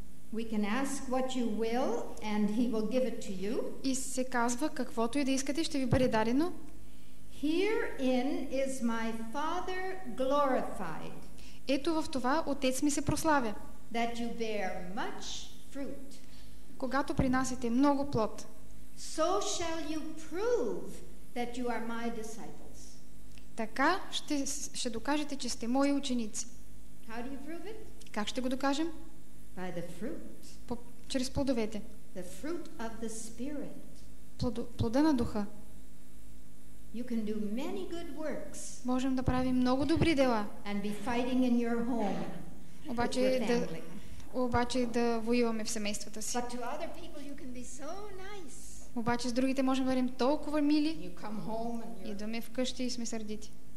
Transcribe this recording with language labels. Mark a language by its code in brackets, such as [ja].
[en] We can ask what you will and he will give it to you. [bg] И се казва каквото и да искате, ще ви бъде дадено. [en] Herein is my Father glorified. [bg] Ето в това Отец ми се прославя. [en] That you bear much fruit. [bg] Когато принасяте много плод. [en] So shall you prove that you are my disciples. [bg] Така ще докажете, че сте мои ученици. [en] How do you prove it? [bg] Как ще го докажем? [en] By the fruit. [bg] Чрез плодовете. [en] The fruit of the Spirit. [bg] Плода на Духа. [en] You can do many good works. [bg] Можем да правим много добри дела. [en] And be fighting in your home. [bg] Обаче да воюваме в семействата си. [en] But to other people you can be so nice. [bg] Обаче с другите можем да бъдем толкова мили. [en] You come home and you're... [bg] Идваме вкъщи и сме сърдити.